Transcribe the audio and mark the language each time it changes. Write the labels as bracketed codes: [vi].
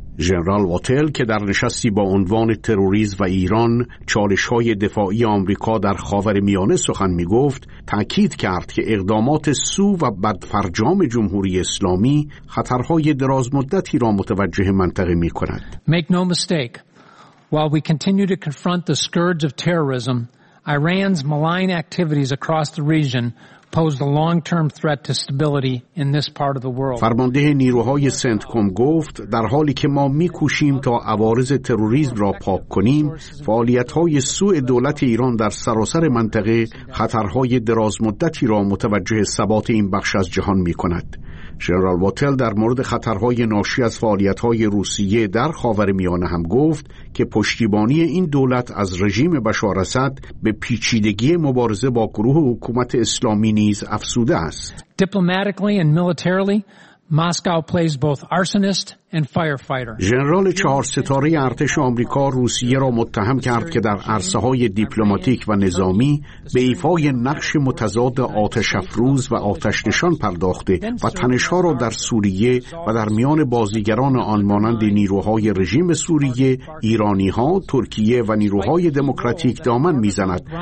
[fa] ژنرال ووتل که در نشستی با عنوان تروریسم و ایران چالش‌های دفاعی آمریکا در خاورمیانه سخن می‌گفت، تأکید کرد که اقدامات سو و بدفرجام جمهوری اسلامی خطرهای درازمدتی را متوجه منطقه می‌کند. [en] Make no mistake, while we continue to confront the scourge of terrorism, Iran's malign activities across the region posed a long-term threat to stability in this part of the world. [fa] فرمانده نیروهای سنتکوم گفت در حالی که ما می‌کوشیم تا عوارض تروریسم را پاک کنیم، فعالیت‌های سوء دولت ایران در سراسر منطقه خطرهای درازمدتی را متوجه ثبات این بخش از جهان می‌کند. ژنرال ووتل در مورد خطرهای ناشی از فعالیت‌های روسیه در خاورمیانه هم گفت که پشتیبانی این دولت از رژیم بشار اسد به پیچیدگی مبارزه با گروه حکومت اسلامی نیز افزوده است. [en] Diplomatically and militarily, Moscow plays both arsonist and firefighter. [fa] ژنرال چهار ستاره ارتش آمریکا روسیه را متهم کرد که در عرصه‌های دیپلماتیک و نظامی به ایفای نقش متضاد آتش افروز و آتش نشان پرداخته و تنش‌ها را در سوریه و در میان بازیگران آن مانند نیروهای رژیم سوریه، ایرانی‌ها، ترکیه و نیروهای دموکراتیک دامن می‌زند